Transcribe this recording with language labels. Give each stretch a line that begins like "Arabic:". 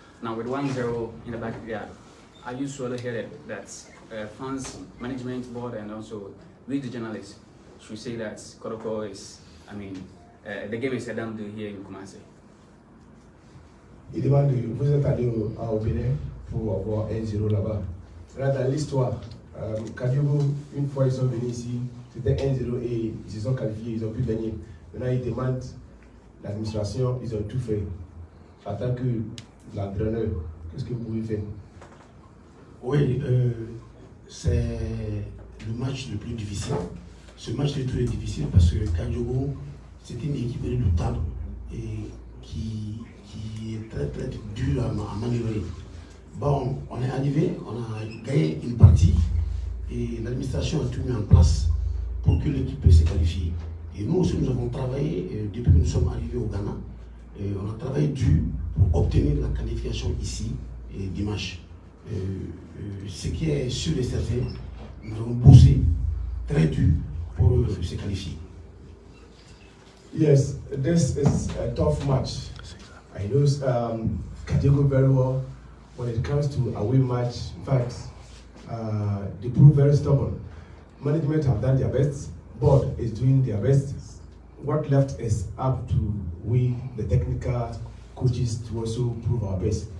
English: Now with 1-0 in the back of the yard, are you sort of headed that fans, management board, and also with the journalists should say that Kotoko is, I mean, the game is a done deal here in Kumasi? It demands you, who's the Kadiogo, I'll be there for 1-0 Laba.
French: Rather, at least Kadiogo, une fois ils sont venus ici, c'était 1-0 et ils se sont qualifiés, ils ont pu gagner. Maintenant, ils demandent l'administration, ils ont tout fait. En tant que l'entraîneur, qu'est-ce que vous pouvez faire? Oui, c'est le match le plus difficile. Ce match est très difficile parce que Kadiogo, c'est une équipe redoutable et qui est très très dure à manœuvrer. Bon, on est arrivé, on a gagné une partie et l'administration a tout mis en place pour que l'équipe puisse se qualifier. Et nous aussi, nous avons travaillé, depuis que nous sommes arrivés au Ghana, on a travaillé dur pour obtenir la qualification ici, et dimanche. Ce qui est sûr et certain, nous avons bossé très dur pour se qualifier.
English: Yes, this is a tough match. I know Kadiogo very well when it comes to away match. In fact, they prove very stubborn. Management have done their best, board is doing their best. What left is up to we, the technical coaches, to also prove our best.